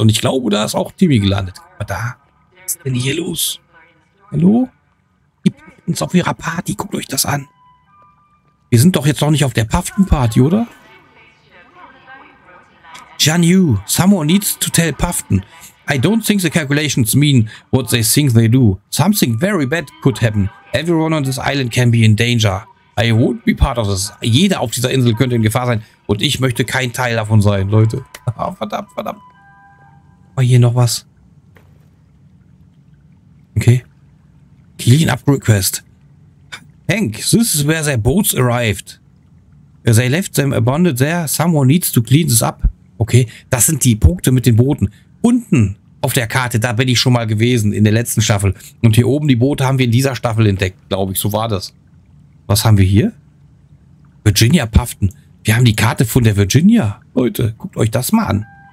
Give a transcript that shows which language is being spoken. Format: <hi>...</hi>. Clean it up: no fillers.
<de>Und ich glaube, da ist auch Timmy gelandet. Aber da. Was ist denn hier los? Hallo? Gib uns auf ihrer Party. Guckt euch das an. Wir sind doch jetzt noch nicht auf der Puffin Party, oder?</de> <en>Jan Yu, someone needs to tell Puffton. I don't think the calculations mean what they think they do. Something very bad could happen. Everyone on this island can be in danger. I won't be part of this.</en> <de>Jeder auf dieser Insel könnte in Gefahr sein. Und ich möchte kein Teil davon sein, Leute. Verdammt, verdammt. War hier noch was?</de> <en>Okay. Clean up request. Hank, this is where their boats arrived. They left them abandoned there. Someone needs to clean this up.</en> <de>Okay, das sind die Punkte mit den Booten. Unten auf der Karte, da bin ich schon mal gewesen in der letzten Staffel. Und hier oben die Boote haben wir in dieser Staffel entdeckt, glaube ich. So war das. Was haben wir hier? Virginia Puffton. Wir haben die Karte von der Virginia. Leute, guckt euch das mal an.</de>